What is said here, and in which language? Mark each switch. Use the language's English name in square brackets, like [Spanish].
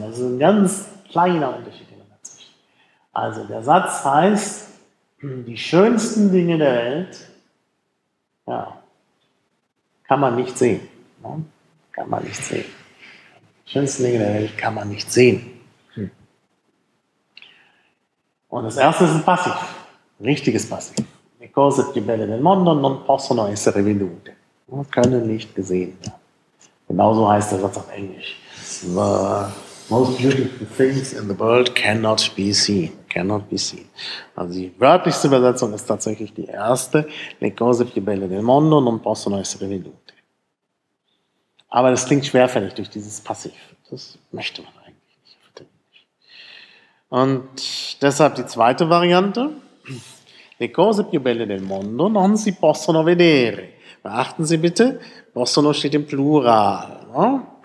[German] Das ist ein ganz kleiner Unterschied. Also der Satz heißt, die schönsten Dinge der Welt, ja, kann man nicht sehen. Ne? Kann man nicht sehen. Schönsten Dinge der Welt kann man nicht sehen. Und das erste ist ein Passiv. Ein richtiges Passiv. [Italian] Le cose più belle del mondo non possono essere vedute. [German] Können nicht gesehen werden. Genauso heißt der Satz auf Englisch. [English] The most beautiful things in the world cannot be seen. Cannot be seen. [German] Also die wörtlichste Übersetzung ist tatsächlich die erste. [Italian] Le cose più belle del mondo non possono essere vedute. [German] Aber das klingt schwerfällig durch dieses Passiv. Das möchte man eigentlich nicht. Und deshalb die zweite Variante. [Italian] Le cose più belle del mondo non si possono vedere. [German] Beachten Sie bitte, possono steht im Plural. Ne?